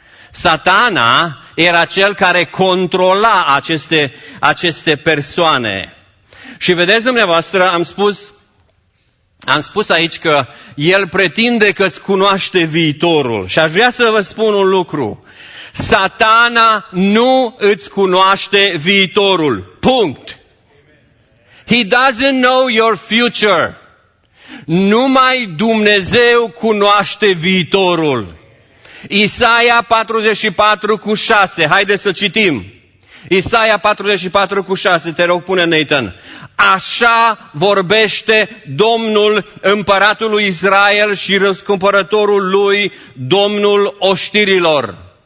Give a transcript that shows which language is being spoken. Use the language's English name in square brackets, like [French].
[Romanian] Satana era cel care controla aceste persoane. Și vedeți dumneavoastră, am spus aici că el pretinde că îți cunoaște viitorul. Și aș vrea să vă spun un lucru. Satana nu îți cunoaște viitorul. Punct. [English] He doesn't know your future. [Romanian] Numai Dumnezeu cunoaște viitorul. Isaia 44:6. Haideți să citim. Isaia 44:6. Te rog, pune, Nathan. Așa vorbește Domnul, împăratul lui Israel și răscumpărătorul lui, Domnul oștirilor.